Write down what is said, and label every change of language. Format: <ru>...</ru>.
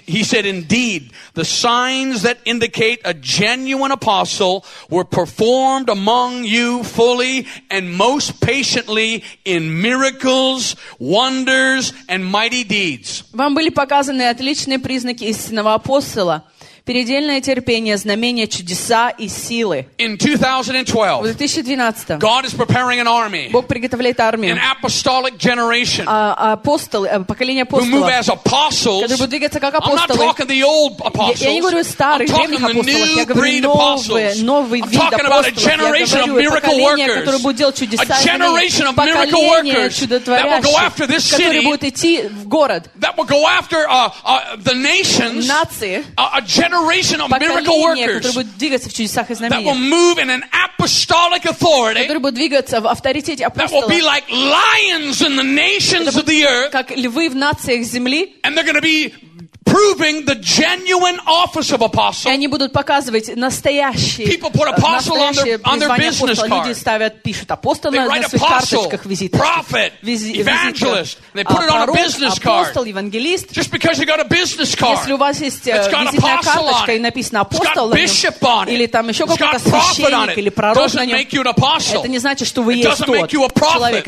<en>he said, indeed, the signs that indicate a genuine apostle were performed among you fully and most patiently in miracles, wonders, and mighty deeds.</en> <ru>Вам были показаны отличные признаки истинного апостола. Передельное терпение, знамение, чудеса и силы.</ru> <en>In 2012,</en> <ru>в 2012</ru> <en>God is preparing an army,</en> <ru>Бог приготовляет армию.</ru> <en>An apostolic generation,</en> <ru>апостолы, поколение апостолов.</ru> <en>Who move as apostles,</en> <ru>которые будут двигаться как апостолы.</ru> <en>I'm not talking the old apostles,</en> <ru>я не говорю старых, древних апостолов. Я говорю новый вид апостолов. Я говорю поколение, которое будет делать чудеса и знамения. Поколение чудотворящих, которые будут идти в город.</ru> <en>That will go after the nations,</en> <ru>нации.</ru> <en>Generation of miracle workers that will move in an apostolic authority that will be like lions in the nations of the earth and they're going to be proving the genuine office of apostle.</en> <ru>Они будут показывать настоящие.</ru> <en>People put apostle on their business card.</en> <ru>Люди ставят, пишут апостол на своих карточках визитных.</ru> <en>Prophet, evangelist. They put it on a business card.</en> <ru>Апостол, евангелист.</ru> <en>Just because you got a business card.</en> <ru>Если у вас есть визитная карточка и написано апостол, или там еще какой-то священник или пророк на нем, это не значит, что вы есть тот человек.</ru>